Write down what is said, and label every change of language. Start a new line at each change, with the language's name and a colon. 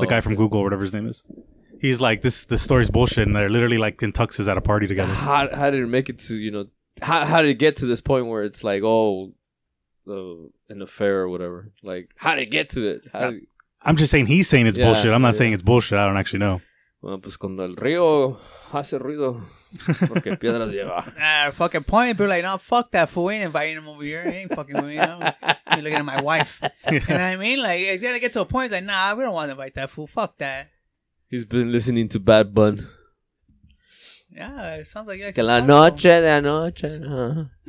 English: the guy from Google or whatever his name is. He's like, this story's bullshit, and they're literally, like, in tuxes at a party together. How did it make it to, you know, how did it get to this point where it's like, an affair or whatever? Like, how did it get to it? I'm just saying he's saying it's bullshit. I'm not saying it's bullshit. I don't actually know.
Spanish: Bueno, pues cuando el río hace ruido, porque piedras lleva.
English: Ah, fucking point. People are like, no, fuck that fool. We ain't inviting him over here. He ain't fucking with me. He's looking at my wife. You know what I mean? Like, it's going to get to a point. Like, nah, we don't want to invite that fool. Fuck that. He's been listening to Bad Bun. Yeah, it sounds like...
Spanish: Que la noche, la noche. Huh?